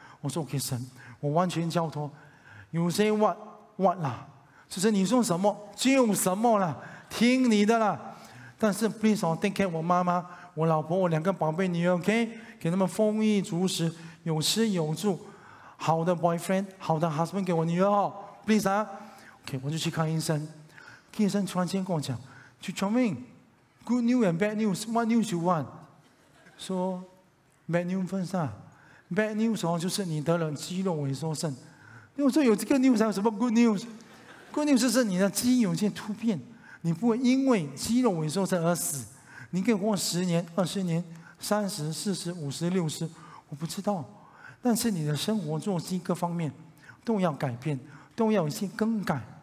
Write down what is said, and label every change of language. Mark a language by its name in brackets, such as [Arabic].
[Chinese] 我说 OK 神，我完全交托。 [English] You say what what [Chinese] 啦，就是你说什么就什么啦，听你的啦。但是 [English] please take care [Chinese] 我妈妈，我老婆，我两个宝贝女儿， OK， 给他们丰衣足食，有吃有住，好的 boyfriend， 好的 husband 给我女儿， please 啊。 OK， 我就去看医生。 [English] 医生突然间跟我讲，Chew Chor Meng， good news and bad news， what news you want？ [Chinese] 说 [English] bad news first [Chinese] 啊， bad news 就是你得了肌肉萎缩症。我说有这个 news 还有什么 good news？ good news 是你的基因有些突变，你不会因为肌肉萎缩症而死，你可以活10年20年30 40 50 60，我不知道，但是你的生活作息各方面都要改变，都要有些更改。